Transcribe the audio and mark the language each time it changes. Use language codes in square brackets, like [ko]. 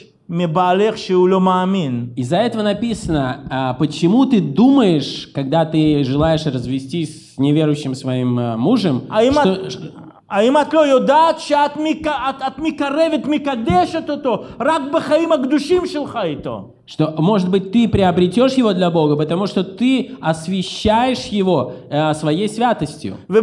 [ru] Из-за этого написано, почему ты думаешь, когда ты желаешь развестись с неверующим своим мужем, что... [he] האם את לא יודעת שאת את מקרבת מקדשת אותו רק בחיים הקדושים שלך איתו? [ru] Что, может быть, ты приобретешь его для Бога, потому что ты освящаешь его своей святостью.